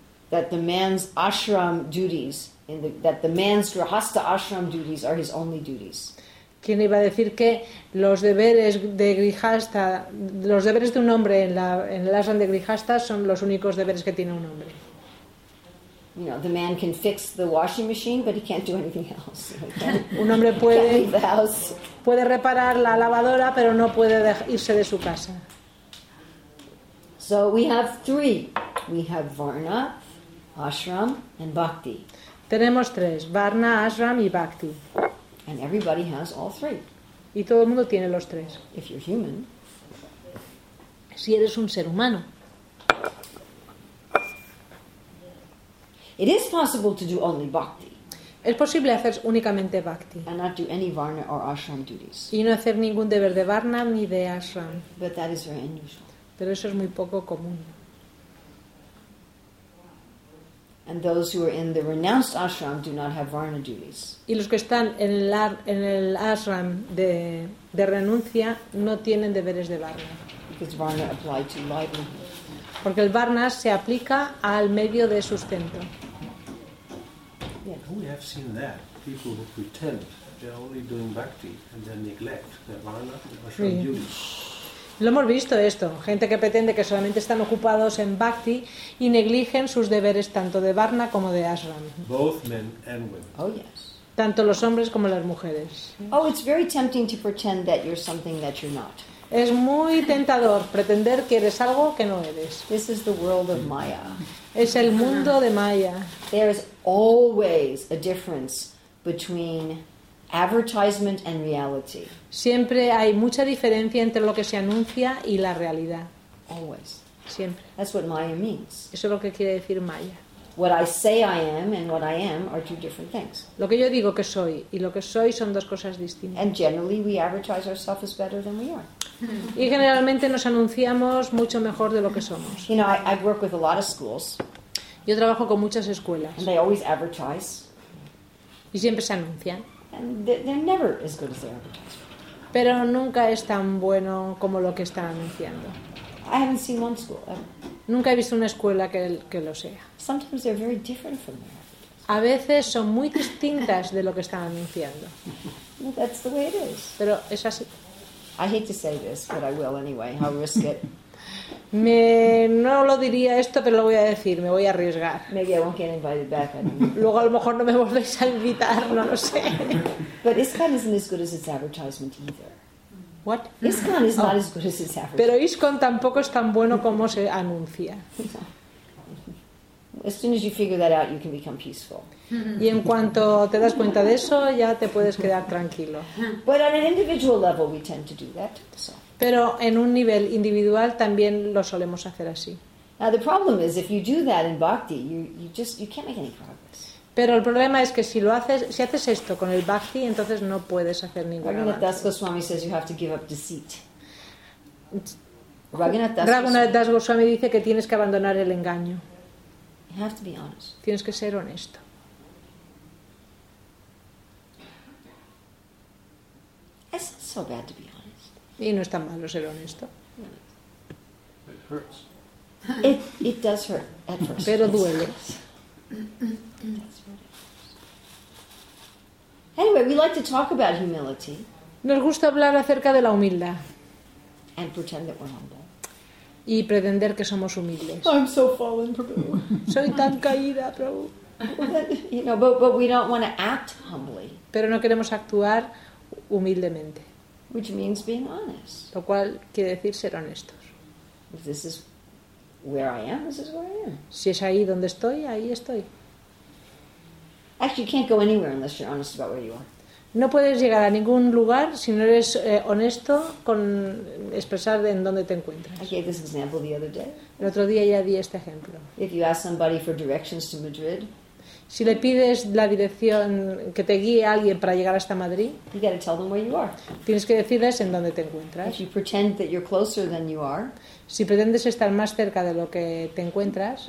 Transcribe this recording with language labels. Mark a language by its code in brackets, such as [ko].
[en] That the man's ashram duties, that the man's grihastha ashram duties are his only duties. [es] ¿Quién iba a decir que los deberes de grihastha, los deberes de un hombre en el ashram de grihastha son los únicos deberes que tiene un hombre? [en] You know, the man can fix the washing machine, but he can't do anything else. [es] Un hombre puede reparar la lavadora, pero no puede irse de su casa. [en] So we have three. We have varna, ashram, and bhakti. [es] Tenemos tres: varna, ashram y bhakti. [en] And everybody has all three. [es] Y todo el mundo tiene los tres. [en] If you're human. [es] Si eres un ser humano. [en] It is possible to do only bhakti. [es] Es posible hacer únicamente bhakti. [en] And not do any varna or ashram duties. [es] Y no hacer ningún deber de varna ni de ashram. [en] But that is very unusual. [es] Pero eso es muy poco común. [en] And those who are in the renounced ashram do not have varna duties. [es] Y los que están en el ashram de renuncia no tienen deberes de varna. [en] Because varna apply to livelihood. [es] Porque el varna se aplica al medio de sustento. [en] Yeah. We have seen that people who pretend they're only doing bhakti and then neglect their varna ashram duties. [es] Lo hemos visto esto, gente que pretende que solamente están ocupados en bhakti y negligen sus deberes tanto de varna como de ashram. [en] Both men and women. Oh yes. [es] Tanto los hombres como las mujeres. [en] Oh, it's very tempting to pretend that you're something that you're not. [es] Es muy tentador pretender que eres algo que no eres. [en] This is the world of Maya. [es] Es el mundo de Maya. [en] There is always a difference between advertisement and reality. [es] Siempre hay mucha diferencia entre lo que se anuncia y la realidad. [en] Always. [es] Siempre. [en] That's what Maya means. [es] Eso es lo que quiere decir Maya. [en] What I say I am and what I am are two different things. [es] Lo que yo digo que soy y lo que soy son dos cosas distintas. [en] And generally we advertise ourselves as better than we are. [es] Y generalmente nos anunciamos mucho mejor de lo que somos. [en] You know, I work with a lot of schools. [es] Yo trabajo con muchas escuelas. [en] And they always advertise. [es] Y siempre se anuncian. [en] And they're never as good as they advertise. [es] Pero nunca es tan bueno como lo que están anunciando. [en] I haven't seen one school ever. [es] Nunca he visto una escuela que lo sea. [en] Sometimes they're very different from their advertising. [es] A veces son muy distintas de lo que están anunciando. [en] But that's the way it is. [es] Pero es así. [en] I hate to say this, but I will anyway. I'll risk it. [es] No lo diría esto, pero lo voy a decir. Me voy a arriesgar. [en] Maybe I won't get invited back anymore. [es] Luego a lo mejor no me volvéis a invitar, no lo sé. [en] But ISKCON isn't as good as its advertisement either. What? ISKCON is not as good as its advertisement. [es] Pero ISKCON tampoco es tan bueno como se anuncia. [en] As soon as you figure that out, you can become peaceful. [es] Y en cuanto te das cuenta de eso, ya te puedes quedar tranquilo. [en] But on an individual level, we tend to do that. So. [es] Pero en un nivel individual también lo solemos hacer así. [en] Now the problem is, if you do that in bhakti, you can't make any progress. [es] Pero el problema es que si haces esto con el bhakti, entonces no puedes hacer ningún avance. [en] Raghunath Das Goswami says you have to give up deceit. [es] Raghunath Das Goswami dice que tienes que abandonar el engaño. [en] You have to be honest. [es] Tienes que ser honesto. [en] It's not so bad to be honest. [es] Y no es tan malo ser honesto. [en] It hurts. It does hurt at first. [es] Pero duele. [en] Anyway, we like to talk about humility. [es] Nos gusta hablar acerca de la humildad. [en] And pretend that we're humble. [es] Y pretender que somos humildes. [en] I'm so fallen, Prabhu. [es] Soy tan caída, Prabhu. [en] You know, but we don't want to act humbly. [es] Pero no queremos actuar humildemente. [en] Which means being honest. [es] Lo cual quiere decir ser honestos. [en] If this is where I am, this is where I am. [es] Si es ahí donde estoy, ahí estoy. [en] Actually, you can't go anywhere unless you're honest about where you are. [es] No puedes llegar a ningún lugar si no eres honesto con expresar en dónde te encuentras. [en] I gave this example the other day. [es] El otro día ya di este ejemplo. [en] If you ask somebody for directions to Madrid. [es] Si le pides la dirección que te guíe alguien para llegar hasta Madrid, [en] you gotta tell them where you are. [es] Tienes que decirles en dónde te encuentras. [en] If you pretend that you're closer than you are, [es] si pretendes estar más cerca de lo que te encuentras,